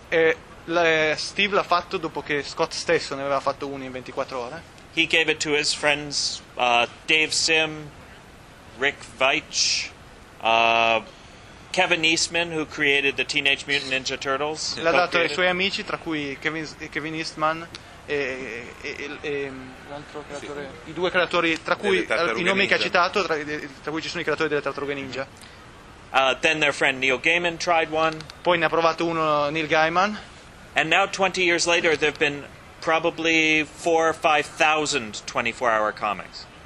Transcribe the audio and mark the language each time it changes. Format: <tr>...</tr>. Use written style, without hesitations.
<it>Steve l'ha fatto dopo che Scott stesso ne aveva fatto uno in 24 ore.</it> <en>He gave it to his friends Dave Sim, Rick Veitch, Kevin Eastman, who created the Teenage Mutant Ninja Turtles.</en> <it>L'ha dato ai suoi amici, tra cui Kevin Eastman. I due creatori, tra cui i nomi che ha citato, tra cui ci sono i creatori delle Tartarughe Ninja.</it> <en>Then their friend Neil Gaiman tried one.</en> <it>Poi ne ha provato uno Neil Gaiman.</it> <en>And now 20 years later there have been probably 4,000 or 5,000 24 hour comics.</en>